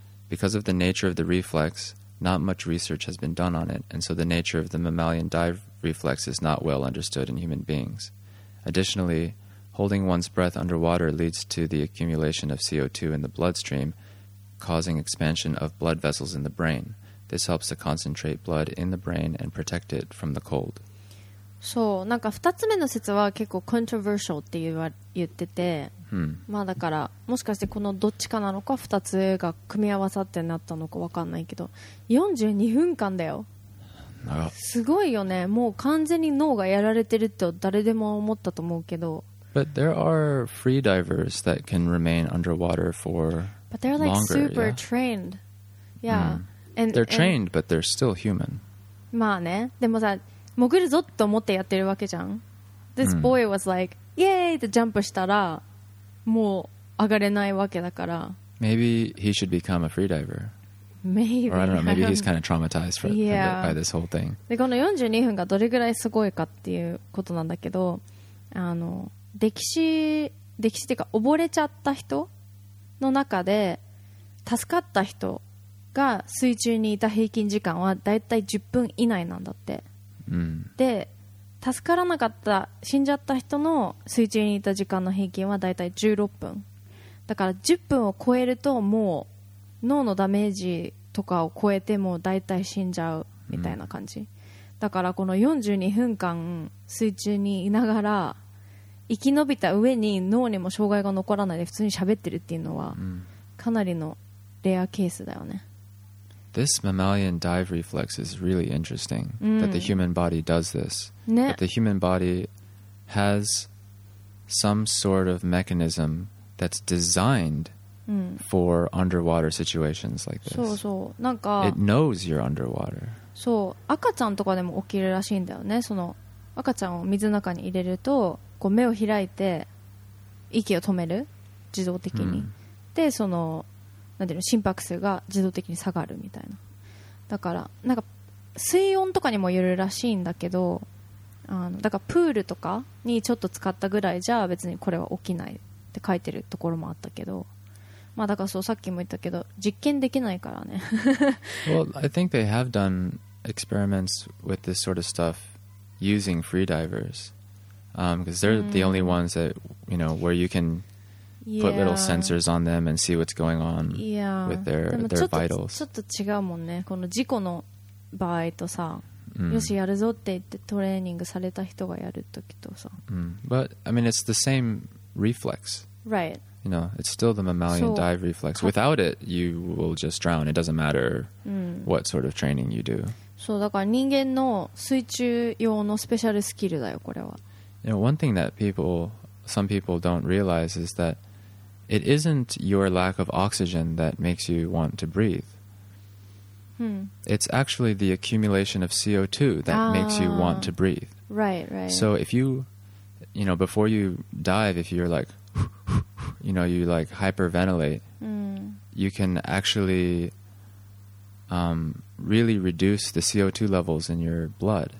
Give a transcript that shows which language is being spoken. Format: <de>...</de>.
<en>Because of the nature of the reflex, not much research has been done on it, and so the nature of the mammalian dive reflex is not well understood in human beings. Additionally, holding one's breath underwater leads to the accumulation of CO2 in the bloodstream, causing expansion of blood vessels in the brain. This helps to concentrate blood in the brain and protect it from the cold.</en> <ja>そう、なんか2つ目の説は結構 controversial って言ってて、まあだからもしかしてこのどっちかなのか2つが組み合わさってなったのか分かんないけど、42分間だよ。すごいよね。もう完全に脳がやられてると誰でも思ったと思うけど。</ja> <en>But there are free divers that can remain underwater for longer. But they're like super trained. Yeah. And they're trained, but they're still human.</en> <ja>まあね。でもさ、潜るぞと思ってやってるわけじゃん。</ja> <en>This boy was like, yay!</en> <ja>ってジャンプしたら、もう上がれないわけだから。</ja> <en>Maybe he should become a free diver. Maybe. Or I don't know, maybe he's kind of traumatized for, by this whole thing.</en> <ja>で、この42分がどれぐらいすごいかっていうことなんだけど、歴史っていうか溺れちゃった人の中で助かった人が水中にいた平均時間はだいたい10分以内なんだって、で助からなかった死んじゃった人の水中にいた時間の平均はだいたい16分。だから10分を超えるともう脳のダメージとかを超えてもうだいたい死んじゃうみたいな感じ、だからこの42分間水中にいながら生き延びた上に脳にも障害が残らないで普通に喋ってるっていうのはかなりのレアケースだよね。</ja> <en>This mammalian dive reflex is really interesting that the human body does this. That the human body has some sort of mechanism that's designed for underwater situations like this.</en> <ja>そうそう、なんか</ja> <en>It knows you're underwater.</en> <ja>そう、赤ちゃんとかでも起きるらしいんだよね。その赤ちゃんを水の中に入れるとこう目を開いて息を止める自動的に、でそのなんていうの心拍数が自動的に下がるみたいな。だからなんか水温とかにもよるらしいんだけど、だからプールとかにちょっと使ったぐらいじゃ別にこれは起きないって書いてるところもあったけど、まあだからそうさっきも言ったけど実験できないからね。</ja> <en>Well, I think they have done experiments with this sort of stuff using free divers. Because they're the only ones that, you know, where you can put little sensors on them and see what's going on with their vitals.</en> <ja>ちょっと違うもんね。この事故の場合とさ、よしやるぞって言ってトレーニングされた人がやるときとさ。</ja> <en>But, I mean, it's the same reflex. Right. You know, it's still the mammalian dive reflex. Without it, you will just drown. It doesn't matter what sort of training you do.</en> <ja>そう、だから人間の水中用のスペシャルスキルだよ、これは。</ja> <en>You know, one thing that some people don't realize is that it isn't your lack of oxygen that makes you want to breathe. It's actually the accumulation of CO2 that makes you want to breathe. Right, right. So if you know, before you dive, if you're like, you know, you like hyperventilate, you can actually really reduce the CO2 levels in your blood.</en>